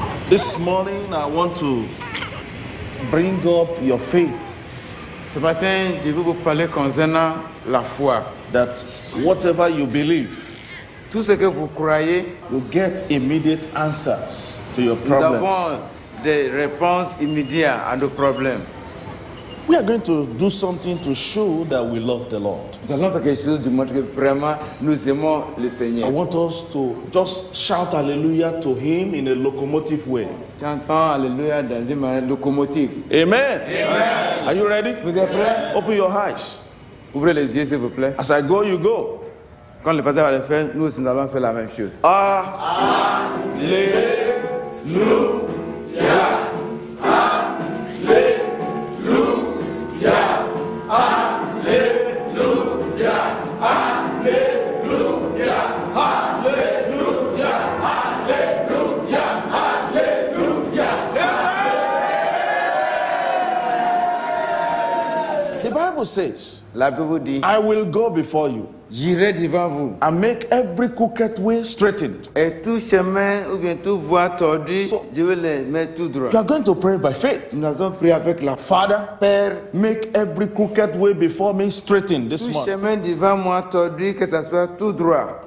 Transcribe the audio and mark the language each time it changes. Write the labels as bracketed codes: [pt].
[en] This morning, I want to bring up your faith. [fr] Ce matin, je veux vous parler concernant la foi. [en] That whatever you believe, [fr] tout ce que vous croyez, [en] you get immediate answers to your problems. [fr] Nous avons des réponses immédiates à nos problèmes. [en] We are going to do something to show that we love the Lord. [fr] Nous allons faire quelque chose de montrer que vraiment nous aimons le Seigneur. [en] I want us to just shout hallelujah to him in a locomotive way. [fr] Chantons hallelujah dans une locomotive. [en] Amen. [fr] Amen. [en] Are you ready? [fr] Vous êtes prêts? [en] Open your eyes. [fr] Ouvrez les yeux s'il vous plaît. [en] As I go, you go. [fr] Quand le pasteur va le faire, nous allons faire la même chose. Alléluia. [en] Says, [fr] la Bible dit, [en] I will go before you. [fr] J'irai devant vous. [en] I make every crooked way straightened. [fr] Et tout chemin ou bien tout voie tordue, so, je vais les mettre tout droit. [en] You are going to pray by faith. [fr] Nous allons prier avec la [en] Father, [fr] Père, [en] make every crooked way before me straightened this morning. [fr] Tout chemin devant moi tordu, que ça soit tout droit.